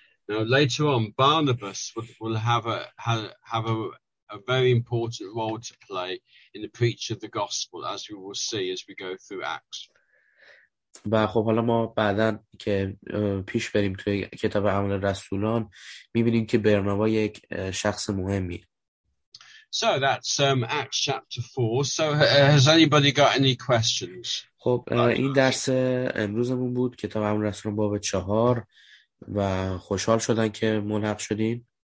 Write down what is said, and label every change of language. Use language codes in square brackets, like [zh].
[en] Now later on Barnabas will have a very important role to play in the preaching of the gospel as we will see as we go through Acts. [fa] و خب حالا ما بعدن که پیش بریم توی کتاب اعمال رسولان میبینیم که برنابا یک شخص مهمی. [en] So that's Acts chapter 4. So has anybody got any questions? [fa] خب این درس امروزمون بود، کتاب اعمال رسولان باب 4، و خوشحال شدن که ملحق شدین.